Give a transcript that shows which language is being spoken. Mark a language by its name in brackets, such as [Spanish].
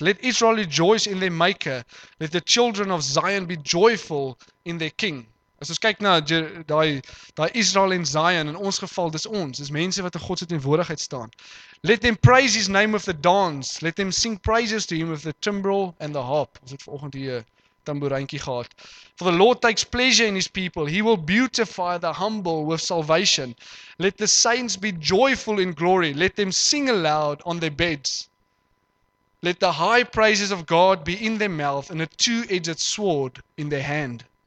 [English] Let Israel rejoice in their maker. Let the children of Zion be joyful in their king." [Afrikaans] As ons kyk na die Israel en Zion, in ons geval, dis ons. Dis mense wat in God se teenwoordigheid staan. [English] "Let them praise his name with the dance. Let them sing praises to him with the timbrel and the harp." [Afrikaans] Ons het vanoggend hier 'n tamboerijntjie gehad. [English] "For the Lord takes pleasure in his people. He will beautify the humble with salvation. Let the saints be joyful in glory. Let them sing aloud on their beds. Let the high praises of God be in their mouth and a two-edged sword in their hand."